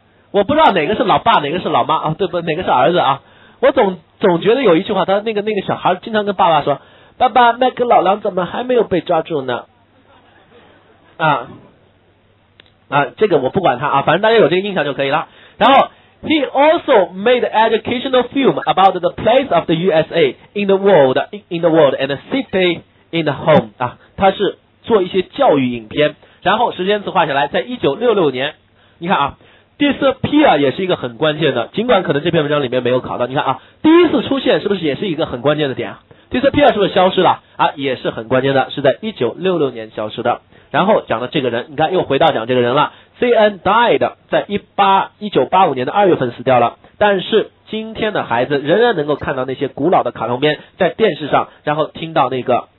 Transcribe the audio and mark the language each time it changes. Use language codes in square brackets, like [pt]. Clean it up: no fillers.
[zh] 我不知道哪个是老爸，哪个是老妈啊？对不，哪个是儿子啊？我总觉得有一句话，他那个小孩经常跟爸爸说：“爸爸，那个老狼怎么还没有被抓住呢？” 啊，这个我不管他啊，反正大家有这个印象就可以了。 [en] 然后 ，He also made educational film about the place of the USA in the world and the city in the home 啊。 [zh] 他是做一些教育影片，然后时间词画下来，在1966年，你看啊 ，disappear 也是一个很关键的，尽管可能这篇文章里面没有考到，你看啊，第一次出现是不是也是一个很关键的点啊 ？disappear 是不是消失了啊？也是很关键的，是在1966年消失的。然后讲了这个人，你看又回到讲这个人了 ，CN died 在1985年的2月份死掉了，但是今天的孩子仍然能够看到那些古老的卡通片在电视上，然后听到那个。